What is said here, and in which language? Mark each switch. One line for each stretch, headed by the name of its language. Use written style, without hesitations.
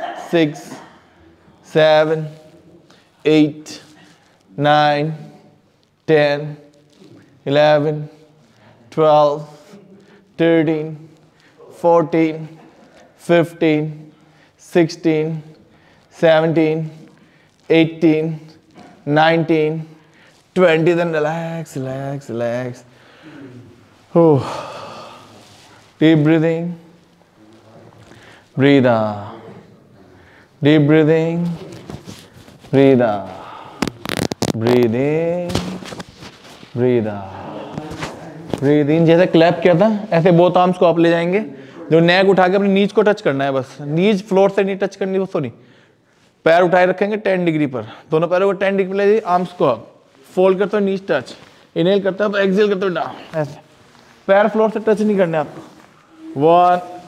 English: Six seven eight nine ten eleven twelve thirteen fourteen fifteen sixteen seventeen eighteen nineteen twenty then relax relax relax Deep breathing, breathe out. Deep breathing, breathe out. Breathe in, breathe out.
Hindi: Breathe in, जैसे clap किया था ऐसे both arms को आप ले जाएंगे जो neck उठा के अपनी knees को touch करना है बस knees floor से नहीं touch करनी वो सॉरी पैर उठाए रखेंगे 10 degree पर दोनों पैरों को 10 degree पर ले जाइए arms को आप fold करते हो knees touch inhale करते हो exhale करते हो down ऐसे पैर floor से touch नहीं करने आपको One,